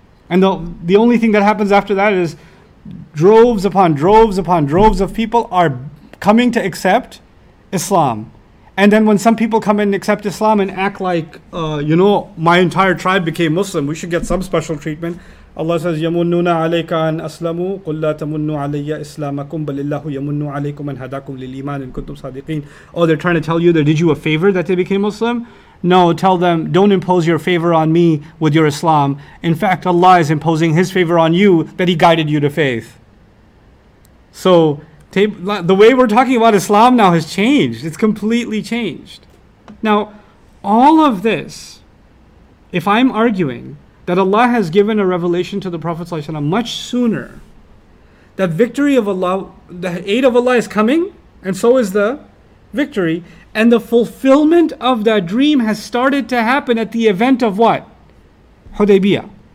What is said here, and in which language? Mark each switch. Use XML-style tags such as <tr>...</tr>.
<en>And the only thing that happens after that is droves upon droves upon droves of people are coming to accept Islam. And then when some people come and accept Islam and act like, my entire tribe became Muslim, we should get some special treatment.</en> <ar>Allah says, يَمُنُّونَ عَلَيْكَ أَنْ أَسْلَمُوا قُلْ لَا تَمُنُّوا عَلَيَّ إِسْلَامَكُمْ بَلِ اللَّهُ يَمُنُّ عَلَيْكُمْ أَنْ هَدَاكُمْ لِلْإِيمَانِ إِنْ كُنْتُمْ صَادِقِينَ.</ar> <en>Oh, they're trying to tell you they did you a favor that they became Muslim? No, tell them, don't impose your favor on me with your Islam. In fact, Allah is imposing His favor on you that He guided you to faith. So, the way we're talking about Islam now has changed. It's completely changed. Now, all of this, if I'm arguing that Allah has given a revelation to the Prophet ﷺ much sooner, that victory of Allah, the aid of Allah is coming, and so is the victory, and the fulfillment of that dream has started to happen at the event of what? Hudaybiyah.</en>